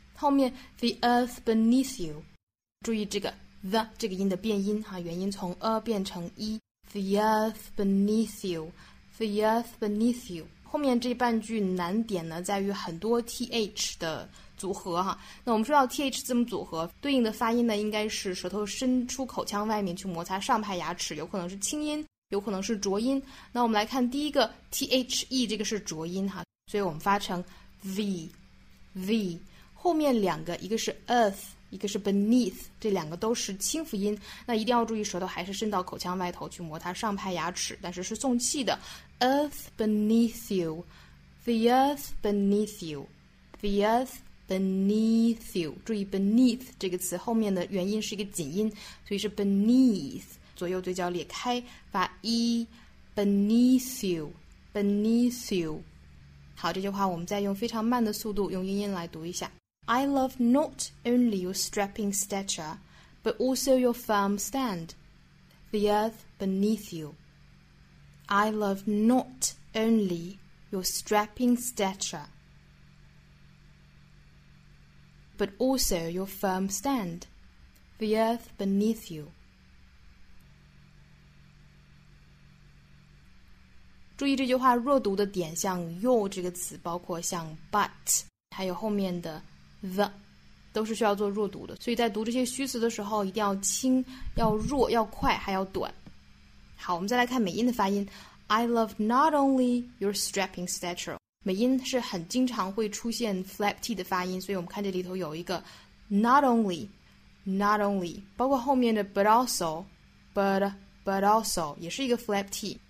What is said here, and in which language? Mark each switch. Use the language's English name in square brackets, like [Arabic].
[Chinese] 后面 [English] the earth beneath you. [Chinese] 注意这个the 这个音的变音哈，元音从 a 变成 e, the earth beneath you, the earth beneath you. 后面这半句难点呢在于很多 th 的组合哈。那我们说到 th 字母组合对应的发音呢，应该是舌头伸出口腔外面去摩擦上排牙齿，有可能是清音，有可能是浊音。那我们来看第一个 the, 这个是浊音哈，所以我们发成 v, v. 后面两个一个是 earth,一个是 beneath, 这两个都是清辅音，那一定要注意舌头还是伸到口腔外头去摩擦上排牙齿，但是是送气的 [English] earth beneath you, the earth beneath you, [Chinese] the earth beneath you. 注意 beneath 这个词后面的元音是一个紧音，所以是 beneath, 左右嘴角裂开发 e, [English] beneath you, beneath you. [Chinese] 好，这句话我们再用非常慢的速度用英音来读一下。 [English] I love not only your strapping stature, but also your firm stand, the earth beneath you. I love not only your strapping stature, but also your firm stand, the earth beneath you. [Chinese] 注意这句话弱读的点，像 your 这个词，包括像 but, 还有后面的 the 都是需要做弱读的，所以在读这些虚词的时候一定要轻，要弱，要快，还要短。好，我们再来看美音的发音。 [English] I love not only your strapping stature， [Chinese] 美音是很经常会出现 flap t 的发音，所以我们看这里头有一个 not only 包括后面的 but also 也是一个 flap t。